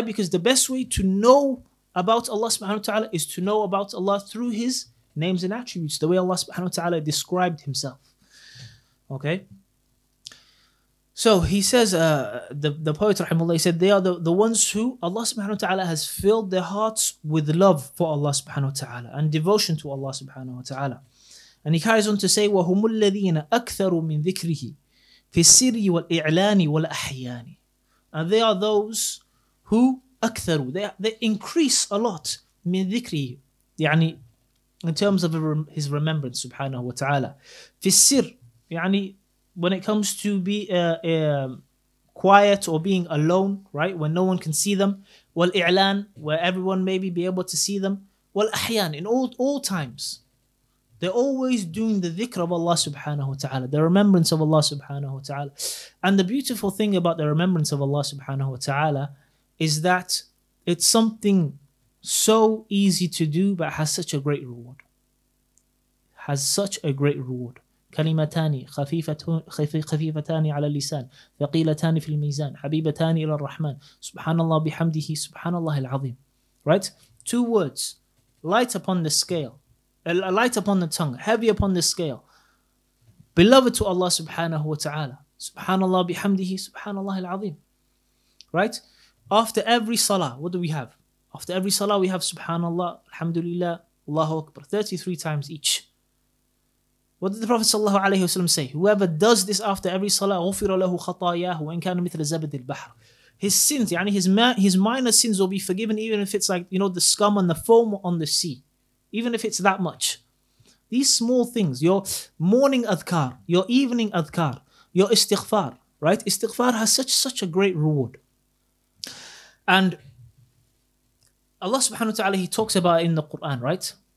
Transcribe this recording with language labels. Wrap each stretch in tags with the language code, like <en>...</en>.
<en>Because the best way to know about Allah subhanahu wa ta'ala is to know about Allah through His names and attributes, the way Allah subhanahu wa ta'ala described Himself. Okay? So he says, the poet rahimahullah, he said, they are the ones who Allah subhanahu wa ta'ala has filled their hearts with love for Allah subhanahu wa ta'ala and devotion to Allah subhanahu wa ta'ala. And he carries on to say,</en> <ar>وَهُمُ الَّذِينَ أَكْثَرُ مِنْ ذِكْرِهِ فِي السِّرِّ وَالْإِعْلَانِ وَالْأَحْيَانِ.</ar> <en>And they are those who</en> <ar>أَكْثَرُ,</ar> <en>they increase a lot,</en> <ar>مِنْ ذِكْرِهِ,</ar> <en>يعني in terms of his remembrance, subhanahu wa ta'ala.</en> <ar>فِي السِّرِّ,</ar> <en>يعني when it comes to be quiet or being alone, right, when no one can see them,</en> <ar>وَالْإِعْلَانِ,</ar> <en>where everyone may be able to see them,</en> <ar>وَالْأَحْيَانِ,</ar> <en>in all times. They're always doing the dhikr of Allah subhanahu wa ta'ala, the remembrance of Allah subhanahu wa ta'ala. And the beautiful thing about the remembrance of Allah subhanahu wa ta'ala is that it's something so easy to do, but has such a great reward. Has such a great reward.</en> <ar>كلمتان خفيفتان على اللسان ثقيلتان في الميزان حبيبتان إلى الرحمن سبحان الله بحمده سبحان الله العظيم.</ar> <en>Right? Two words. Light upon the scale. A light upon the tongue, heavy upon the scale, beloved to Allah subhanahu wa ta'ala. Subhanallah bihamdihi, subhanallah al-azim. Right? After every salah, what do we have? After every salah, we have subhanallah, alhamdulillah, Allahu Akbar, 33 times each. What did the Prophet sallallahu alayhi wa sallam say? Whoever does this after every salah,</en> <ar>غُفِرَ لَهُ خَطَايَاهُ وَإِنْ كَانَ مِثْلَ زَبَدِ الْبَحْرِ.</ar> <en>His sins, يعني his minor sins will be forgiven even if it's like, you know, the scum and the foam on the sea. Even if it's that much. These small things, your morning adhkar, your evening adhkar, your istighfar, right? Istighfar has such a great reward. And Allah subhanahu wa ta'ala, he talks about it in the Quran, right?</en>